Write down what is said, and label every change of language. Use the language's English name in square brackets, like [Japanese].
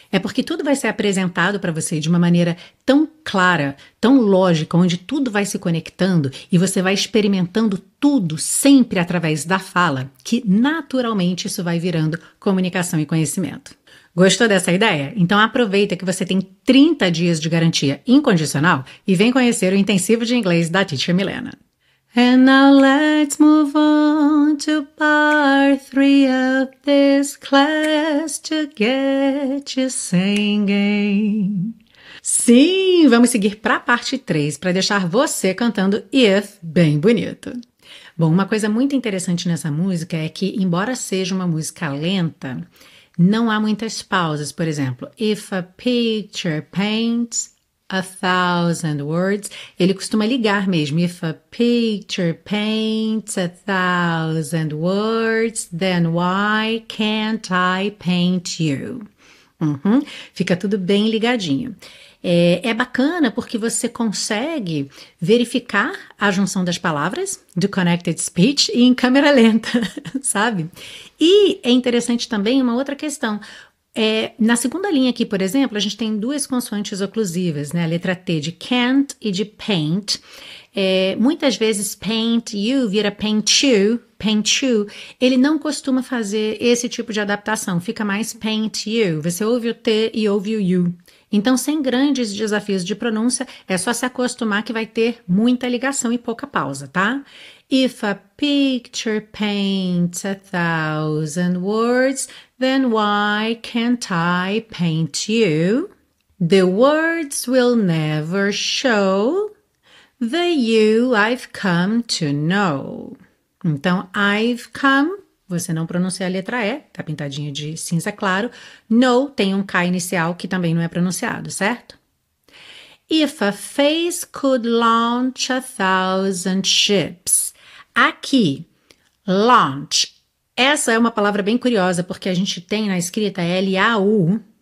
[Portuguese] É porque tudo vai ser apresentado para você de uma maneira tão clara, tão lógica, onde tudo vai se conectando e você vai experimentando tudo sempre através da fala, que naturalmente isso vai virando comunicação e conhecimento. Gostou dessa ideia? Então aproveita que você tem 30 dias de garantia incondicional e vem conhecer o Intensivo de Inglês da Teacher Milena. [English] And now let's move on to part three of this class to get you singing. [Portuguese] Sim, vamos seguir para a parte 3 para deixar você cantando If bem bonito. Bom, uma coisa muito interessante nessa música é que, embora seja uma música lenta, não há muitas pausas. Por exemplo, [English] If a picture paints A thousand words. [Portuguese] Ele costuma ligar mesmo. [English] If a picture paints a thousand words, then why can't I paint you? [Portuguese] Fica tudo bem ligadinho. É bacana porque você consegue verificar a junção das palavras do Connected Speech em câmera lenta, sabe? E é interessante também uma outra questão. Na segunda linha aqui, por exemplo, a gente tem duas consoantes oclusivas, né? A letra T de can't e de paint. Muitas vezes paint you vira paint you, ele não costuma fazer esse tipo de adaptação, fica mais paint you. Você ouve o T e ouve o U. Então, sem grandes desafios de pronúncia, é só se acostumar que vai ter muita ligação e pouca pausa, tá? [English] If a picture paints a thousand words, then why can't I paint you? The words will never show the you I've come to know. [Portuguese] Então, I've come, você não pronuncia a letra E, tá pintadinha de cinza claro. No tem um K inicial que também não é pronunciado, certo? [English] If a face could launch a thousand ships. [Portuguese] Aqui, launch. Essa é uma palavra bem curiosa, porque a gente tem na escrita LAUNCH.